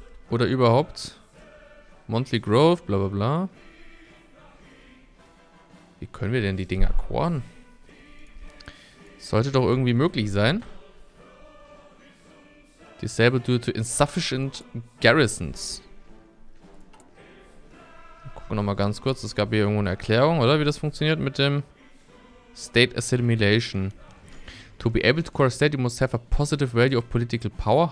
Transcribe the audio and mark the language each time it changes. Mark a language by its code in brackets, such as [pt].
[de] Oder überhaupt? Monthly Growth, bla bla bla. Wie können wir denn die Dinger kornen? Sollte doch irgendwie möglich sein. [en] Disabled due to insufficient garrisons. [de] Gucken wir nochmal ganz kurz. Es gab hier irgendwo eine Erklärung, oder? Wie das funktioniert mit dem State Assimilation. [en] To be able to core a state, you must have a positive value of political power.